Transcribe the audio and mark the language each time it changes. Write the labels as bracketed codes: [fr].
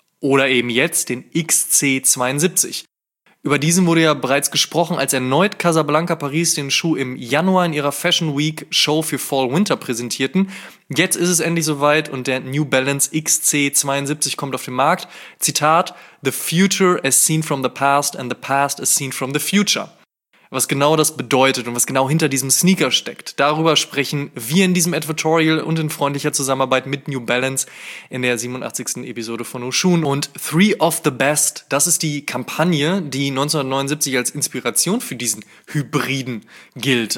[de] Oder eben jetzt den XC72. Über diesen wurde ja bereits gesprochen, als erneut Casablanca Paris den Schuh im Januar in ihrer Fashion Week Show für Fall Winter präsentierten. Jetzt ist es endlich soweit und der New Balance XC72 kommt auf den Markt. [en] Zitat: "The future as seen from the past and the past as seen from the future." [de] Was genau das bedeutet und was genau hinter diesem Sneaker steckt, darüber sprechen wir in diesem Editorial und in freundlicher Zusammenarbeit mit New Balance in der 87. Episode von Oshun. Und Three of the Best, das ist die Kampagne, die 1979 als Inspiration für diesen Hybriden gilt.